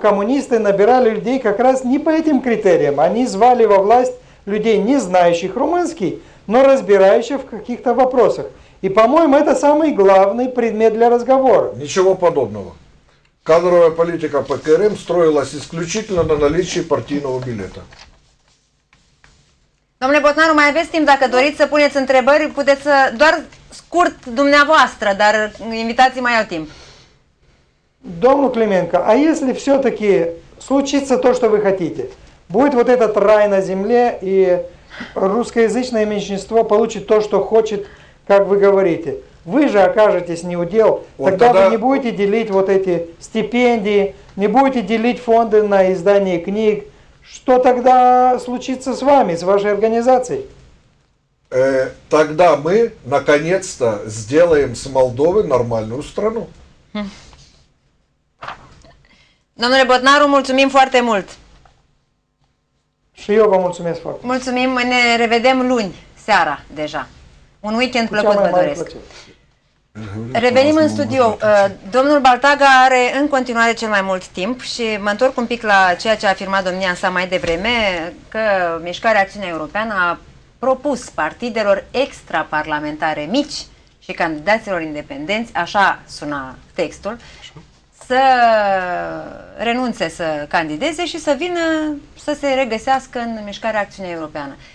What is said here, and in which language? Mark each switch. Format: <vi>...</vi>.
<ru>Коммунисты набирали людей как раз не по этим критериям. Они звали во власть людей, не знающих румынский, но разбирающих в каких-то вопросах. И, по-моему, это самый главный предмет для разговора. Ничего подобного. Кадровая политика ПКРМ строилась исключительно на наличии партийного билета.</ru> <ro>Domnule Botnaru, mai aveți timp, dacă doriți să puneți întrebări, puteți să, doar scurt dumneavoastră, dar invitații mai au timp.</ro> <ru>Domnul Клименко, а если все-таки случится то, что вы хотите, будет вот этот рай на земле, и русскоязычное меньшинство получит то, что хочет... как вы говорите, Вы же окажетесь не у дел. Тогда, тогда вы не будете делить вот эти стипендии, не будете делить фонды на издание книг. Что тогда случится с вами, с вашей организацией? Тогда мы наконец-то сделаем с Молдовы нормальную страну.</ru> <ro>Domnule Bodnaru, mulțumim foarte mult. Și eu vă mulțumesc foarte mult. Mulțumim, ne revedem luni, seara, deja. Un weekend plăcut vă doresc. Revenim în studio. Domnul Baltaga are în continuare cel mai mult timp și mă întorc un pic la ceea ce a afirmat domnia sa mai devreme, că Mișcarea Acțiunea Europeană a propus partidelor extraparlamentare mici și candidaților independenți, așa suna textul, să renunțe să candideze și să vină să se regăsească în Mișcarea Acțiunea Europeană.</ro>